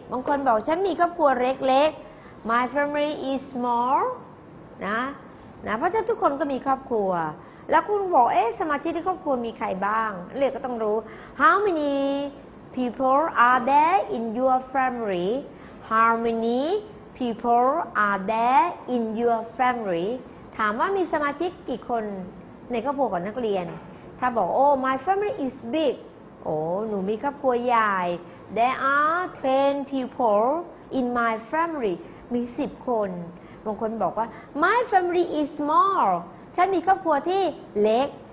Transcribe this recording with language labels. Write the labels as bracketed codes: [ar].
[th] บางคนบอกฉันมีครอบครัวเล็กๆ [en] My family is small [th] นะเพราะฉะนั้นทุกคนก็มีครอบครัวแล้วคุณบอกเอ๊ะสมาชิกในครอบครัวมีใครบ้างเรียกก็ต้องรู้ [en] How many people are there in your family? How many people are there in your family? [th] ถามว่ามีสมาชิกกี่คนในครอบครัวของนักเรียนถ้าบอกโอ้ [en] my family is big [th] โอ้หนูมีครอบครัวใหญ่ [en] There are 10 people in my family [th] มี10คนบางคนบอกว่า [en] my family is small [th] ฉันมีครอบครัวที่เล็ก